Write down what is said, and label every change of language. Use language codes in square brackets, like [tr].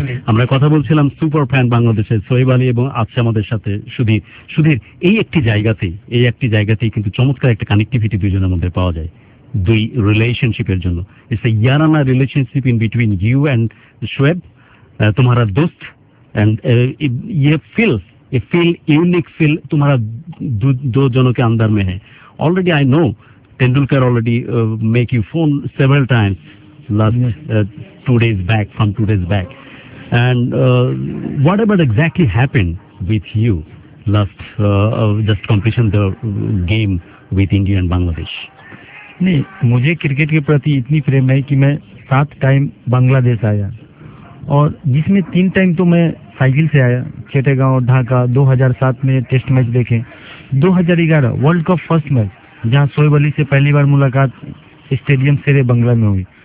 [bn] আমরা কথা বলছিলাম সুপার ফ্যান বাংলাদেশের সোহেব আলী এবং আজকে আমাদের সাথে সুধীর। সুধীর এই একটি জায়গাতেই এই একটি জায়গাতেই কিন্তু চমৎকার একটা কানেক্টিভিটি দুজনের মধ্যে পাওয়া যায় দুই রিলেশনশিপের জন্য, [en] it's a ইয়ারানা relationship in between you and Shoaib [hi] तुम्हारा दोस्त एंड ये फील, ये फील, यूनिक फील तुम्हारा दो जनों के अंदर में है. [en] Already I know Tendulkar already make you phone several times last two days back, from two days back. And what about exactly happened with you last just completion the game with India and Bangladesh? [hi] नहीं, मुझे cricket के प्रति इतनी प्रेम है कि मैं 7 time Bangladesh आया और जिसमें 3 टाइम तो मैं साइकिल से आया, चटेगांव, ढाका. 2007 में टेस्ट मैच देखे, 2011 वर्ल्ड कप फर्स्ट मैच जहां शोएब अली से पहली बार मुलाकात स्टेडियम से बंगला में हुई.